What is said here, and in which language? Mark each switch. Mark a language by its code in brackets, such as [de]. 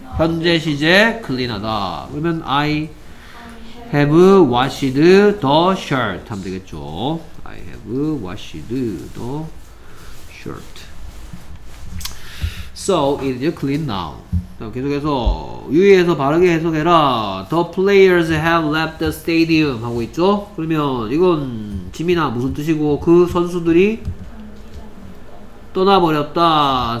[ko] 현재 시제 clean하다. 그러면 [en] I have washed the shirt [ko] 하면 되겠죠. [en] I have washed the shirt. So it is clean now. [ko] 계속해서 유의해서 바르게 해석해라. [en] The players have left the stadium [ko] 하고 있죠. 그러면 이건 짐이나 무슨 뜻이고 그 선수들이 떠나버렸다.